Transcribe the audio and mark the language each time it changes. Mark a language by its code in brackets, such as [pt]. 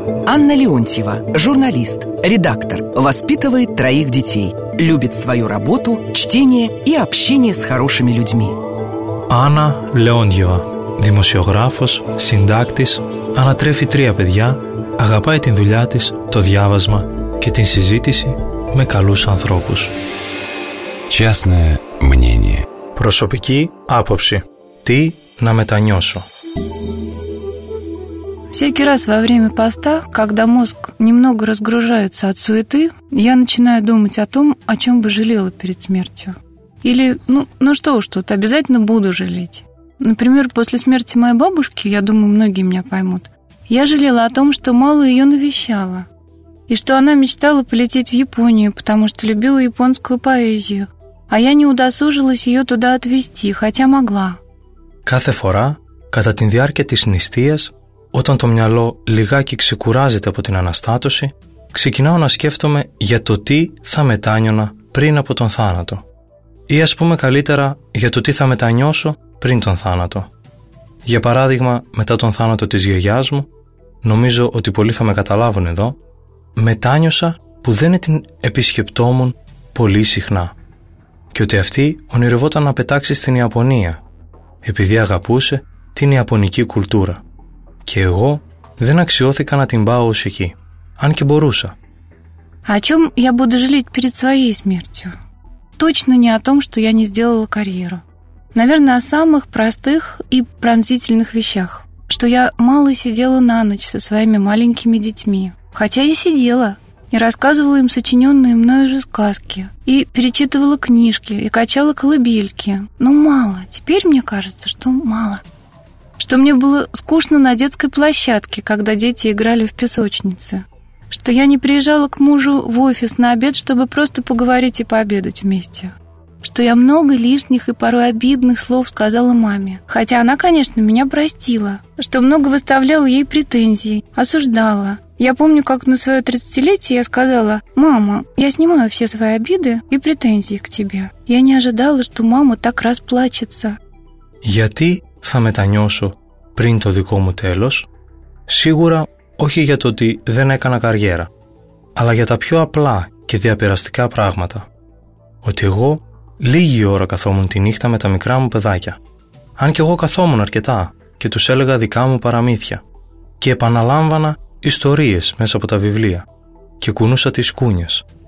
[ru] Анна Леонтьева, журналист, редактор, воспитывает троих детей, любит свою работу, чтение и общение с хорошими людьми. [el] Анна Леонтьева, δημοσιογράφος, συντάκτης, ανατρέφει τρία παιδιά, αγαπάει την δουλειά της, το διάβασμα και την συζήτηση με καλούς ανθρώπους. [ru] Частное мнение. [el] Προσωπική άποψη. Τι να μετανιώσω? [ru] Всякий раз во время поста, когда мозг немного разгружается от суеты, я начинаю думать о том, о чем бы жалела перед смертью. Или, что-то обязательно буду жалеть. Например, после смерти моей бабушки, я думаю, многие меня поймут, я жалела о том, что мало ее навещала. И что она мечтала полететь в Японию, потому что любила японскую поэзию. А я не удосужилась ее туда отвезти, хотя могла. [el] Κάθε φορά, κατά την διάρκεια της νηστείας, όταν το μυαλό λιγάκι ξεκουράζεται από την αναστάτωση, ξεκινάω να σκέφτομαι για το τι θα μετάνιωνα πριν από τον θάνατο. Ή ας πούμε καλύτερα, για το τι θα μετανιώσω πριν τον θάνατο. Για παράδειγμα, μετά τον θάνατο της γιαγιάς μου, νομίζω ότι πολλοί θα με καταλάβουν εδώ, μετάνιωσα που δεν την επισκεπτόμουν πολύ συχνά και ότι αυτή ονειρευόταν να πετάξει στην Ιαπωνία, επειδή αγαπούσε την ιαπωνική κουλτούρα. Και εγώ δεν αξιώθηκα να την πάω ως εκεί, αν και μπορούσα. [ru] О чём я буду жалеть перед своей смертью? Точно не о том, что я не сделала карьеру. Наверное, о самых простых и пронзительных вещах, что я мало сидела на ночь со своими маленькими детьми. Хотя я сидела и рассказывала им сочиненные мною же сказки, и перечитывала книжки, и качала колыбельки. Но мало, теперь мне кажется, что мало. Что мне было скучно на детской площадке, когда дети играли в песочнице. Что я не приезжала к мужу в офис на обед, чтобы просто поговорить и пообедать вместе. Что я много лишних и порой обидных слов сказала маме. Хотя она, конечно, меня простила. Что много выставляла ей претензий, осуждала. Я помню, как на свое 30-летие я сказала: «Мама, я снимаю все свои обиды и претензии к тебе». Я не ожидала, что мама так расплачется. Я ты [el] θα μετανιώσω πριν το δικό μου τέλος? Σίγουρα όχι για το ότι δεν έκανα καριέρα, αλλά για τα πιο απλά και διαπεραστικά πράγματα. Ότι εγώ λίγη ώρα καθόμουν τη νύχτα με τα μικρά μου παιδάκια, αν και εγώ καθόμουν αρκετά και τους έλεγα δικά μου παραμύθια και επαναλάμβανα ιστορίες μέσα από τα βιβλία και κουνούσα τις κούνιες.